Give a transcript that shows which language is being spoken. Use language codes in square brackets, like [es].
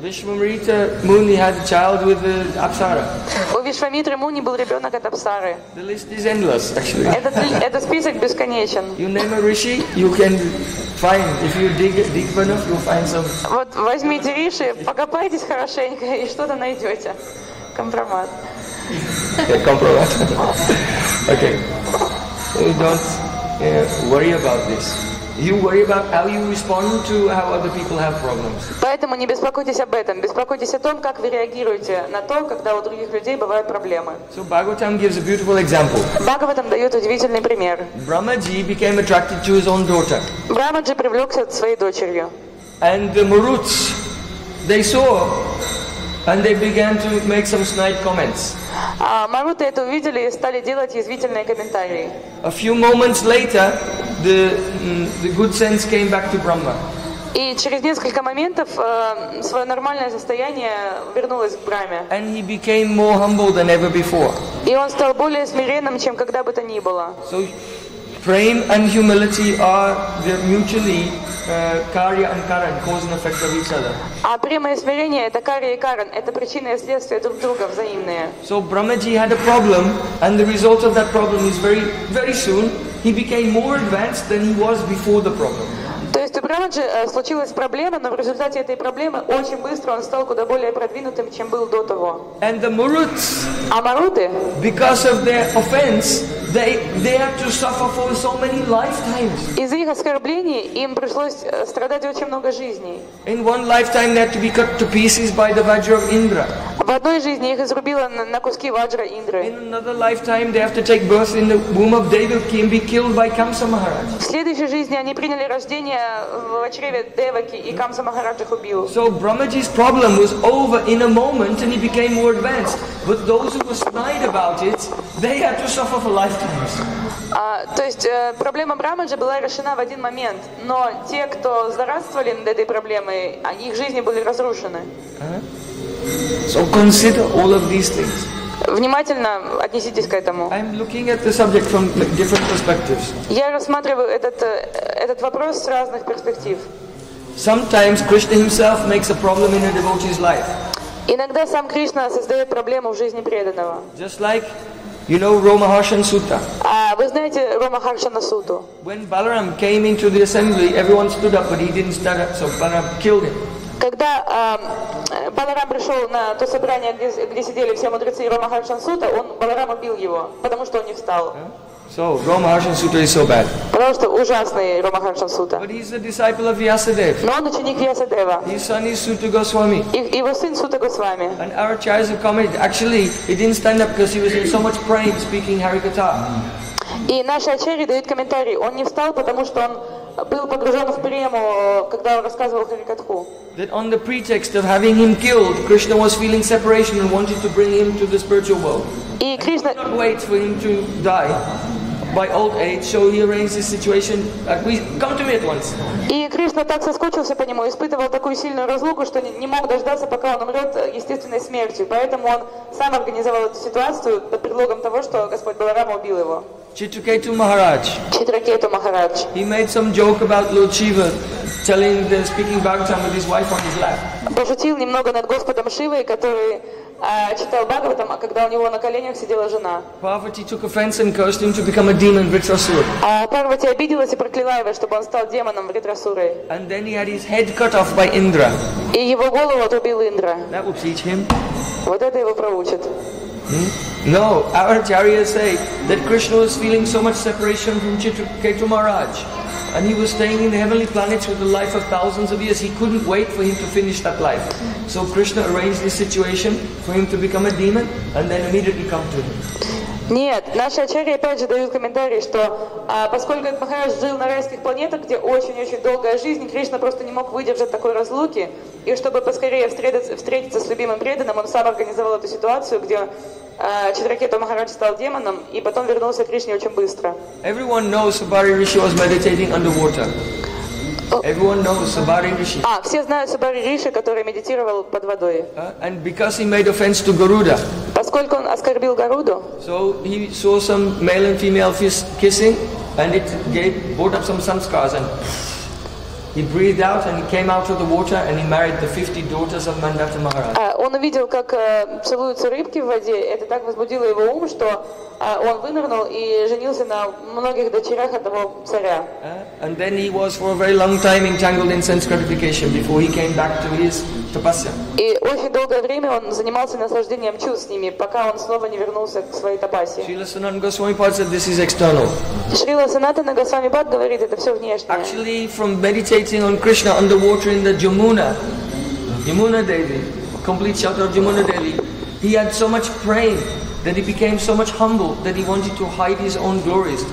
[en] Vishwamitra Muni had a child with the Apsara. [ru] У Вишвамитры Муни был ребёнок от Апсары. [en] The list is endless, actually. [ru] Этот список бесконечен. [en] You name a rishi, you can find, if you dig deep enough, you'll find some. [ru] Вот возьмите риши, покопайтесь хорошенько и что-то найдете. Компромат. [en] Компромат. Okay. You don't worry about this. You worry about how you respond to how other people have problems. [ru] Поэтому не беспокойтесь об этом. Беспокойтесь о том, как вы реагируете на то, когда у других людей бывают проблемы. [en] So Bhagavatam gives a beautiful example. [ru] Бхагаватам дает удивительный пример. [en] Brahmaji became attracted to his own daughter. [ru] Брамаджи привлекся к своей дочерью. [en] And the Maruts, they saw, and they began to make some snide comments. [ru] А Маруты это увидели и стали делать язвительные комментарии. [en] A few moments later, the good sense came back to Brahma. [ru] И через несколько моментов свое нормальное состояние вернулось к Брахме. [en] And he became more humble than ever before. [ru] И он стал более смиренным, чем когда бы то ни было. [en] So, Prem and humility are the mutually karya and karan, cause and effect of each other. [ru] А према и смирение это карья и каран, это причины и следствия друг друга взаимные. [en] So Brahmaji had a problem, and the result of that problem is very, very soon he became more advanced than he was before the problem. [ru] То есть у Брамаджи случилась проблема, но в результате этой проблемы очень быстро он стал куда более продвинутым, чем был до того. [en] And the Maruts, [ru] а Маруты, [en] because of their offense, they had to suffer for so many lifetimes. [ru] Из-за их оскорблений им пришлось страдать очень много жизней. [en] In one lifetime they had to be cut to pieces by the Vajra of Indra. [ru] В одной жизни их изрубило на куски Ваджра Индры. [en] In another lifetime they have to take birth in the womb of Devaki and be killed by Kamsa Maharaj. [ru] В следующей жизни они приняли рождение в чреве Деваки и Камса Махараджа их убил. [en] So Brahmaji's problem was over in a moment and he became more advanced. But those who were snide about it, they had to suffer for lifetimes. [ru] То есть проблема Брамаджа была решена в один момент, но те, кто зарадствовали над этой проблемой, их жизни были разрушены. [en] So consider all of these things. [ru] Внимательно отнеситесь к этому. [en] I'm looking at the subject from different perspectives. [ru] Я рассматриваю этот вопрос с разных перспектив. [en] Sometimes Krishna himself makes a problem in a devotee's life. [ru] Иногда сам Кришна создает проблему в жизни преданного. [en] Just like, you know, Ромахаршан Сутта. [ru] А вы знаете Ромахаршана Сутту? [en] When Balaram came into the assembly, everyone stood up, but he didn't stand up, so Balaram killed him. [ru] Когда Баларам пришел на то собрание, где сидели все мудрецы и Ромахаршан Сутта, он Баларам убил его, потому что он не встал. [en] So Ромахаршан Сутта is so bad. [ru] Потому что ужасный Ромахаршан Сутта. [en] But he's a disciple of Vyasadev. [ru] Но он ученик Вьясадева. [en] His son is Sutta Goswami. [ru] Его сын Сутта Госвами. [en] And our chairs have come in. Actually, he didn't stand up because he was in so much pain speaking Harikatha. [ru] И наши ачарьи дают комментарий. Он не встал, потому что он был погружен в прему, когда он рассказывал Харикатху. [en] That on the pretext of having him killed, Krishna was feeling separation and wanted to bring him to the spiritual world. [ru] И Кришна... [en] He could not wait for him to die by old age, so he arranged his situation. Come to me at once. [ru] И Кришна так соскучился по нему, испытывал такую сильную разлуку, что не мог дождаться, пока он умрет естественной смертью. Поэтому он сам организовал эту ситуацию под предлогом того, что Господь Баларама убил его. [en] Chitraketu Maharaj. Chitraketu Maharaj. He made some joke about Lord Shiva, telling the speaking Bhagavatam with his wife on his lap. [ru] Пошутил немного над Господом Шивой, который читал Бхагаватам, когда у него на коленях сидела жена. [en] Parvati took offense and cursed him to become a demon Vritrasura. [ru] Парвати обиделась и прокляла его, чтобы он стал демоном Вритрасурой. [en] And then he had his head cut off by Indra. [ru] И его голову отрубил Индра. [en] That will teach him. [ru] Вот это его проучит. [en] No, our acharyas say that Krishna was feeling so much separation from Chitraketu Maharaj. And he was staying in the heavenly planets with a life of thousands of years. He couldn't wait for him to finish that life. So Krishna arranged this situation for him to become a demon and then immediately come to him. [ru] Нет, наши ачарьи опять же дают комментарии, что поскольку этот Махарадж жил на райских планетах, где очень-очень долгая жизнь, Кришна просто не мог выдержать такой разлуки, и чтобы поскорее встретиться с любимым преданным, он сам организовал эту ситуацию, где Читракету Махарадж стал демоном, и потом вернулся к Кришне очень быстро. [en] Everyone knows Subhari Rishi was meditating underwater. Everyone knows Subhari Rishi. [ru] Все знают Subhari Rishi, который медитировал под водой. [en] And because he made offense to Garuda. [ru] Поскольку он оскорбил Гаруду. [en] So he saw some male and female kissing, and it brought up some sanskars. And he breathed out, and he came out of the water, and he married the 50 daughters of Mandata Maharaj. [ru] Он увидел, как целуются рыбки в воде. Это так возбудило его ум, что он вынырнул и женился на многих дочерях этого царя. [en] And then he was for a very long time entangled in sense gratification before he came back to his tapasya. [ru] И очень долгое время он занимался наслаждением чувств с ними, пока он снова не вернулся к своей тапасе. [en] Шрила Санатана Госвами Пад said this is external. [ru] Шрила Санатана Госвами Пад говорит, это все внешнее. [en] Actually, from meditating on Krishna underwater in the Jamuna, Jamuna Devi, complete shelter of Jamuna Devi, he had so much praying that he became so much humble that he wanted to hide his own glories.